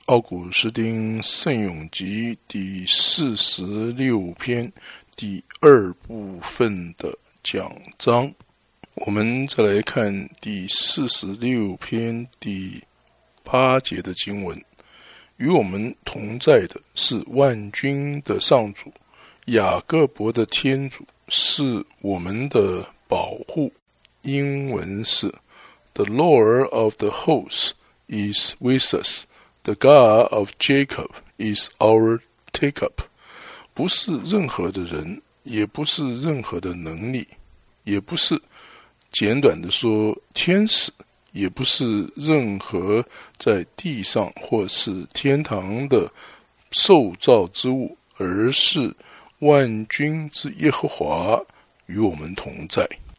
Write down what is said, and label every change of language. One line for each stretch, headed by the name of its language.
Chinese: 奥古斯丁圣咏集第46篇第二部分的讲章，我们再来看第46篇第8节的经文。与我们同在的是万军的上主，雅各伯的天主是我们的保护。英文是
English: The Lord of the hosts is with us. The God of Jacob is our take-up.
Chinese: 不是任何的人，也不是任何的能力，也不是，简短的说，天使，也不是任何在地上或是天堂的受造之物，而是万军之耶和华与我们同在。